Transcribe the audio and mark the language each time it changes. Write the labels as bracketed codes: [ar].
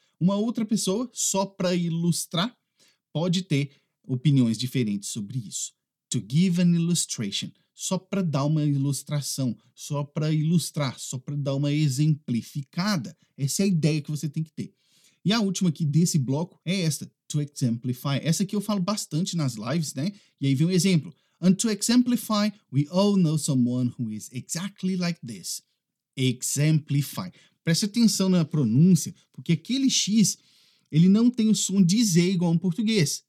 [pt] Uma outra pessoa, só para ilustrar, pode ter opiniões diferentes sobre isso. [en] To give an illustration. [pt] Só para dar uma ilustração, só para ilustrar, só para dar uma exemplificada. Essa é a ideia que você tem que ter. E a última aqui desse bloco é esta, to exemplify. Essa aqui eu falo bastante nas lives, né? E aí vem um exemplo. [en] And to exemplify, we all know someone who is exactly like this. Exemplify. [pt] Preste atenção na pronúncia, porque aquele X, ele não tem o som de Z igual em português.